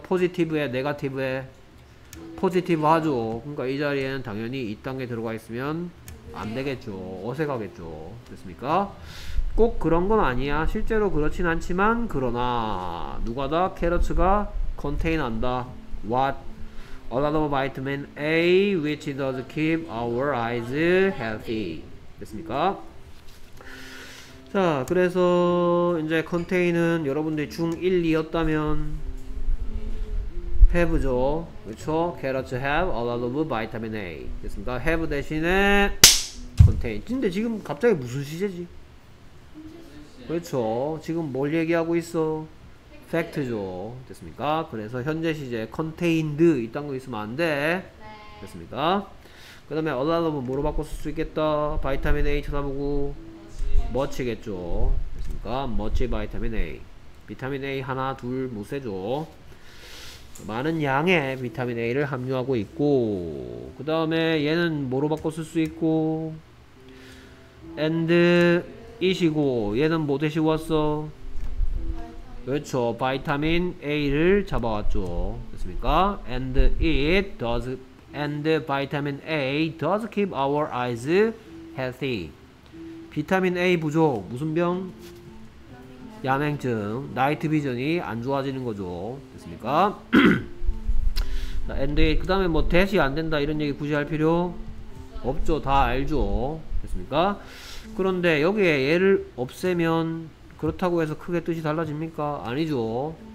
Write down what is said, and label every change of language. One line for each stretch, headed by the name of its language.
Korean: 포지티브에 네가티브에 포지티브하죠. 그러니까 이 자리에는 당연히 이딴 게 들어가 있으면 안 되겠죠. 어색하겠죠. 됐습니까? 꼭 그런 건 아니야. 실제로 그렇진 않지만 그러나 누가 다 캐러츠가 컨테인한다.
English: What? A lot of vitamin A which does keep our eyes healthy.
Korean: 됐습니까? 자, 그래서 이제 컨테인은 여러분들이 중 1, 2였다면 have죠. 그렇죠?
English: Carrots have a lot of vitamin A.
Korean: 됐습니까? have 대신에 contain. 근데 지금 갑자기 무슨 시제지? 그렇죠? 지금 뭘 얘기하고 있어? fact죠. 됐습니까? 그래서 현재 시제 contained 이딴 거 있으면 안 돼. 됐습니까? 그 다음에 a lot of 뭐로 바꿨을 수 있겠다? 비타민 A 쳐다보고 much겠죠. 됐습니까? much 비타민 A. 비타민 A 하나, 둘, 무쇠죠. 많은 양의 비타민 A를 함유하고 있고, 그 다음에 얘는 뭐로 바꿨을 수 있고, and 이시고, 얘는 뭐 대시웠어? 그렇죠. 비타민 A를 잡아왔죠. 됐습니까?
English: and it does, and vitamin A does keep our eyes healthy.
Korean: 비타민 A 부족. 무슨 병? 야맹증, 나이트 비전이 안 좋아지는 거죠. 됐습니까? 자, and 그 다음에 뭐 대시 안 된다 이런 얘기 굳이 할 필요 없죠. 다 알죠. 됐습니까? 그런데 여기에 얘를 없애면 그렇다고 해서 크게 뜻이 달라집니까? 아니죠.